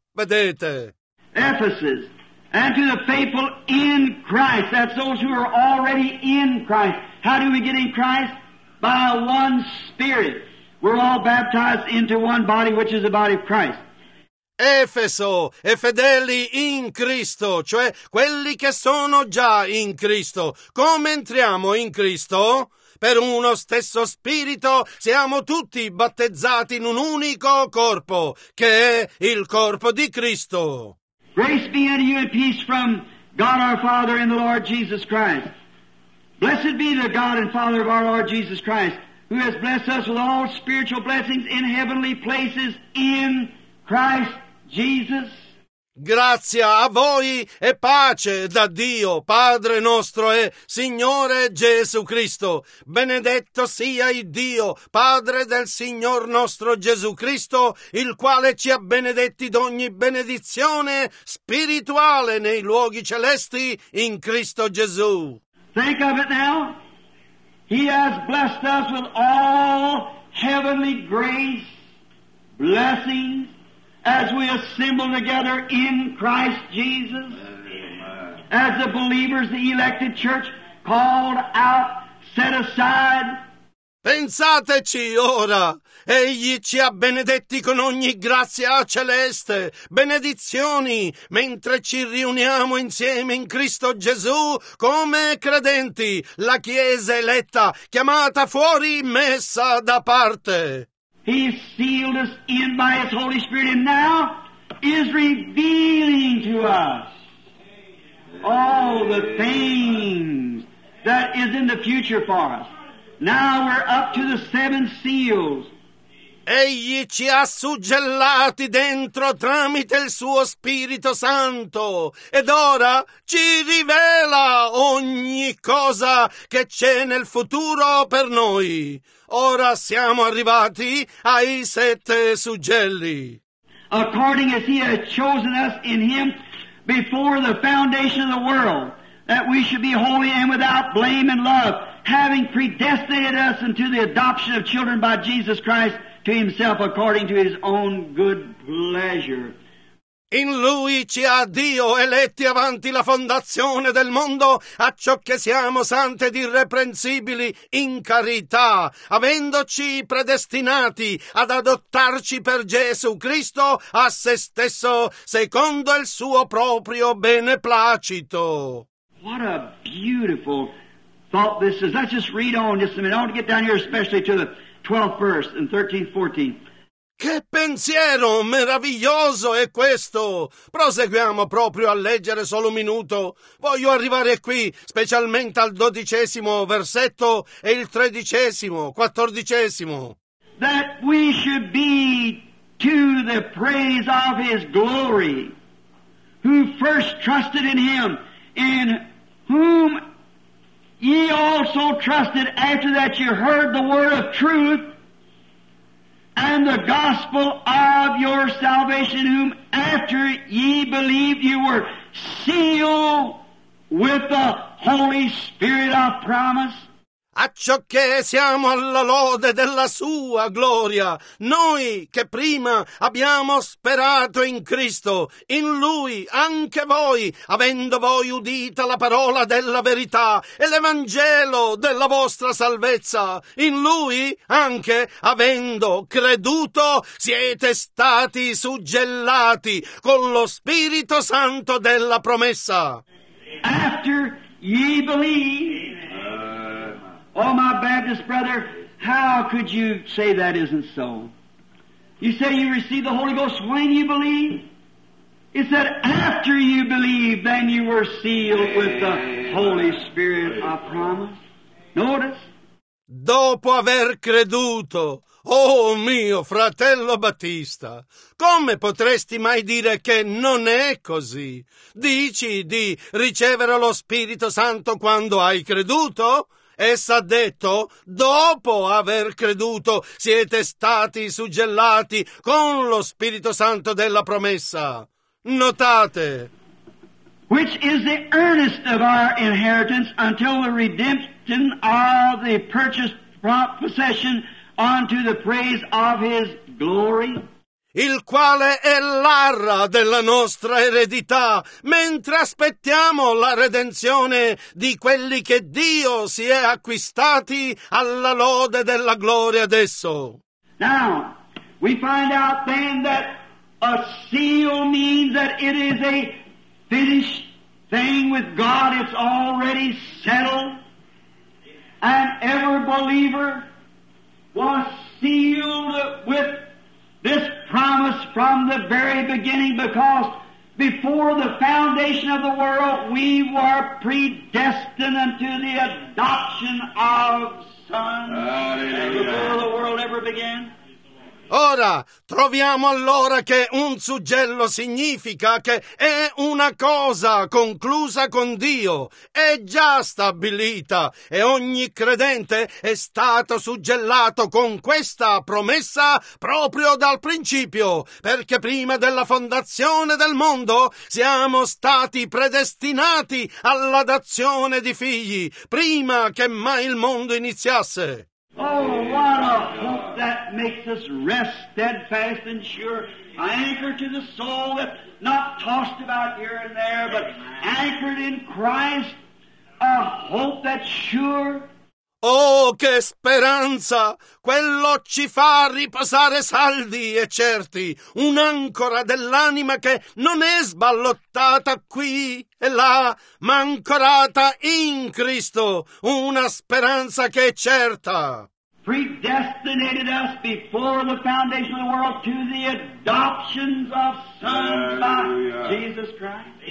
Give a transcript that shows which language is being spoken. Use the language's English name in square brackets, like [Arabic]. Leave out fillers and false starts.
[Italian] Vedete? [English] Ephesus, and to the faithful in Christ, that's those who are already in Christ. How do we get in Christ? By one Spirit. We're all baptized into one body, which is the body of Christ. [Italian] Efeso e fedeli in Cristo, cioè quelli che sono già in Cristo. Come entriamo in Cristo? Per uno stesso spirito siamo tutti battezzati in un unico corpo, che è il corpo di Cristo. [English] Grace be unto you and peace from God our Father and the Lord Jesus Christ. Blessed be the God and Father of our Lord Jesus Christ, who has blessed us with all spiritual blessings in heavenly places in Christ Jesus. [Italian] Grazia a voi e pace da Dio, Padre nostro e Signore Gesù Cristo. Benedetto sia il Dio, Padre del Signor nostro Gesù Cristo, il quale ci ha benedetti d'ogni benedizione spirituale nei luoghi celesti in Cristo Gesù. [English] Think of it now. He has blessed us with all heavenly grace, blessings, as we assemble together in Christ Jesus, as the believers, the elected church, called out, set aside. [Italian] Pensateci ora! Egli ci ha benedetti con ogni grazia celeste, benedizioni, mentre ci riuniamo insieme in Cristo Gesù come credenti, la Chiesa eletta, chiamata fuori, messa da parte. [English] He sealed us in by His Holy Spirit and now is revealing to us all the things that is in the future for us. Now we're up to the seven seals. [Italian] Egli ci ha suggellati dentro tramite il suo Spirito Santo ed ora ci rivela ogni cosa che c'è nel futuro per noi. Ora siamo arrivati ai sette suggelli. [English] According as He has chosen us in Him before the foundation of the world, that we should be holy and without blame in love, having predestinated us unto the adoption of children by Jesus Christ to Himself according to His own good pleasure. [Italian] In Lui ci ha Dio eletti avanti la fondazione del mondo, a ciò che siamo santi ed irreprensibili in carità, avendoci predestinati ad adottarci per Gesù Cristo a se stesso, secondo il suo proprio beneplacito. [English] What a beautiful thought this is. Let's just read on just a minute. I want to get down here especially to the 12th verse and 13-14. [Italian] Che pensiero meraviglioso è questo! Proseguiamo proprio a leggere solo un minuto. Voglio arrivare qui, specialmente al 12° versetto e il 13°, 14°. [English] That we should be to the praise of His glory, who first trusted in Him, in whom ye also trusted after that you heard the word of truth, and the gospel of your salvation, whom after ye believed you were sealed with the Holy Spirit of promise. [Italian] A ciò che siamo alla lode della sua gloria, noi che prima abbiamo sperato in Cristo, in Lui anche voi, avendo voi udita la parola della verità e l'Evangelo della vostra salvezza, in Lui anche avendo creduto siete stati suggellati con lo Spirito Santo della promessa. [English] After ye believe. Oh, my Baptist brother, how could you say that isn't so? You say you receive the Holy Ghost when you believe? It said after you believe, then you were sealed with the Holy Spirit, I promise. Notice. [Italian] Dopo aver creduto, oh mio fratello Battista, come potresti mai dire che non è così? Dici di ricevere lo Spirito Santo quando hai creduto? Essa ha detto, dopo aver creduto, siete stati suggellati con lo Spirito Santo della promessa. Notate. [English] Which is the earnest of our inheritance until the redemption of the purchased possession unto the praise of his glory. [Italian] Il quale è l'arra della nostra eredità, mentre aspettiamo la redenzione di quelli che Dio si è acquistati alla lode della gloria adesso. [English] Now, we find out then that a seal means that it is a finished thing with God, it's already settled. And every believer was sealed with this promise from the very beginning, because before the foundation of the world we were predestined unto the adoption of sons. Hallelujah. Before the world ever began. [Italian] Ora, troviamo allora che un suggello significa che è una cosa conclusa con Dio, è già stabilita e ogni credente è stato suggellato con questa promessa proprio dal principio, perché prima della fondazione del mondo siamo stati predestinati all'adozione di figli, prima che mai il mondo iniziasse. [English] Oh, what a hope that makes us rest steadfast and sure, anchored to the soul, that not tossed about here and there, but anchored in Christ, a hope that's sure. [Italian] Oh, che speranza! Quello ci fa riposare saldi e certi, un'ancora dell'anima che non è sballottata qui e là, ma ancorata in Cristo, una speranza che è certa. [English] Predestinated us before the foundation of the world to the adoptions of sons by Jesus Christ.